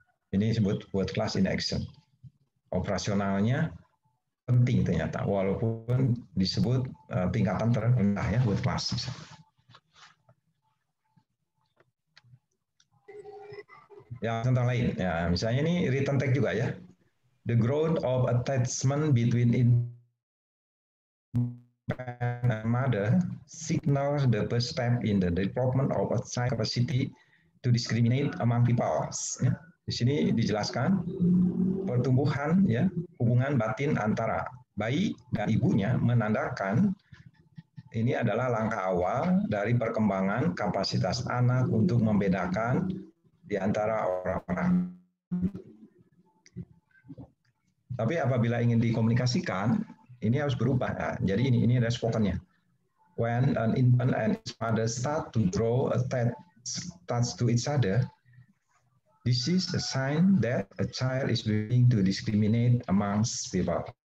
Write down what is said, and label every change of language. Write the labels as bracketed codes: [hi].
[id] Ini disebut word class in action. Operasionalnya penting ternyata, walaupun disebut tingkatan terendah ya word class. Ya, contoh lain. Ya, misalnya ini written text juga ya. [en] The growth of attachment between infant and mother signals the first step in the development of a psychic capacity to discriminate among people. [id] Ya. Di sini dijelaskan pertumbuhan ya hubungan batin antara bayi dan ibunya menandakan ini adalah langkah awal dari perkembangan kapasitas anak untuk membedakan di antara orang-orang. Tapi apabila ingin dikomunikasikan, ini harus berubah. Ya. Jadi ini responnya. [en] When an infant and its mother start to draw attached to each other, this is a sign that a child is beginning to discriminate amongst people.